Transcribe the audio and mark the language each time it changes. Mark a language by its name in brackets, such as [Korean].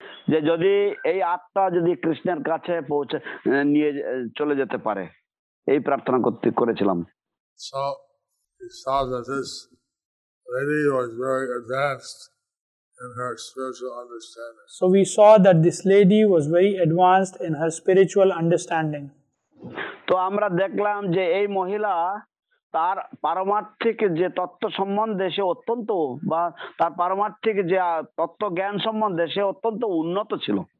[Bangla] যে যদি এই আত্মা যদি কৃষ্ণের কাছে পৌঁছে নিয়ে চলে যেতে পারে এই প্রার্থনা করতে করেছিলাম [English] So he saw that this lady was very advanced in her spiritual understanding. So we saw that this lady was very advanced in her spiritual understanding. [Bangla] তো আমরা দেখলাম যে এই মহিলা তার পারমার্থিক যে তত্ত্ব সম্বন্ধে সে অত্যন্ত বা তার পারমার্থিক যে তত্ত্ব জ্ঞান সম্বন্ধে সে অত্যন্ত উন্নত ছিল